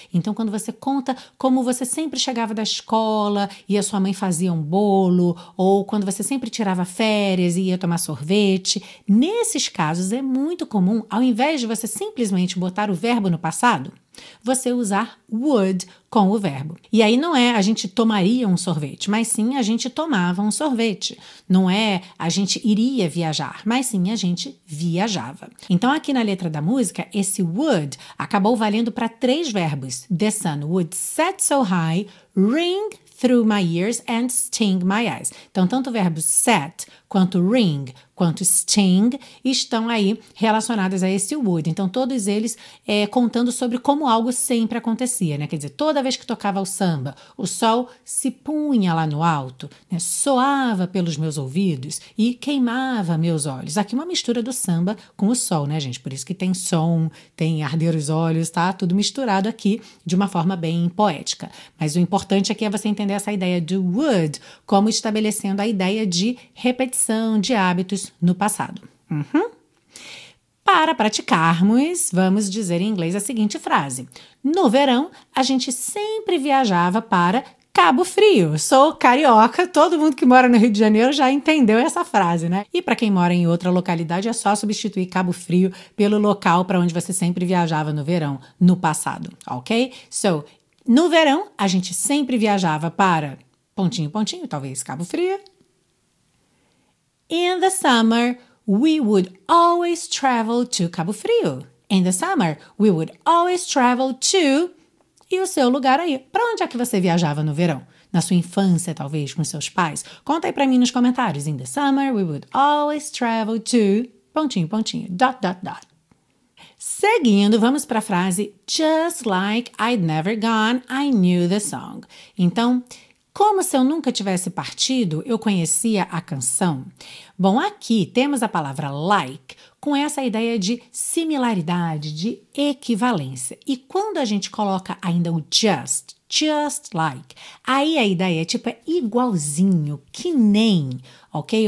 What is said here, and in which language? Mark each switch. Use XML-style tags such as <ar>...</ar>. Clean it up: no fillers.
<pt>Então, quando você conta como você sempre chegava da escola e a sua mãe fazia um bolo, ou quando você sempre tirava férias e ia tomar sorvete, nesses casos é muito comum, ao invés de você simplesmente botar o verbo no passado, você usar would com o verbo. E aí não é a gente tomaria um sorvete, mas sim a gente tomava um sorvete. Não é a gente iria viajar, mas sim a gente viajava. Então aqui na letra da música, esse would acabou valendo para 3 verbos.</pt> <en>The sun would set so high, ring through my ears and sting my eyes.</en> <pt>Então tanto o verbo</pt> <en>set</en> <pt>quanto ring, quanto sting, estão aí relacionadas a esse would. Então, todos eles contando sobre como algo sempre acontecia, né? Quer dizer, toda vez que tocava o samba, o sol se punha lá no alto, né? Soava pelos meus ouvidos e queimava meus olhos. Aqui uma mistura do samba com o sol, né, gente? Por isso que tem som, tem arder os olhos, tá? Tudo misturado aqui de uma forma bem poética. Mas o importante aqui é você entender essa ideia do would como estabelecendo a ideia de repetição de hábito no passado. Uhum. Para praticarmos, vamos dizer em inglês a seguinte frase. No verão, a gente sempre viajava para Cabo Frio. Sou carioca, todo mundo que mora no Rio de Janeiro já entendeu essa frase, né? E para quem mora em outra localidade, é só substituir Cabo Frio pelo local para onde você sempre viajava no verão, no passado, ok? So, no verão, a gente sempre viajava para pontinho, pontinho, talvez Cabo Frio.</pt> <en>In the summer, we would always travel to Cabo Frio. In the summer, we would always travel to...</en> <pt>E o seu lugar aí? Para onde é que você viajava no verão? Na sua infância, talvez, com seus pais? Conta aí para mim nos comentários.</pt> <en>In the summer, we would always travel to...</en> <pt>Pontinho, pontinho.</pt> <en>Dot, dot, dot.</en> <pt>Seguindo, vamos para a frase...</pt> <en>Just like I'd never gone, I knew the song.</en> <pt>Então... Como se eu nunca tivesse partido, eu conhecia a canção? Bom, aqui temos a palavra like com essa ideia de similaridade, de equivalência. E quando a gente coloca ainda o just like, aí a ideia é tipo é igualzinho, que nem, ok?</pt>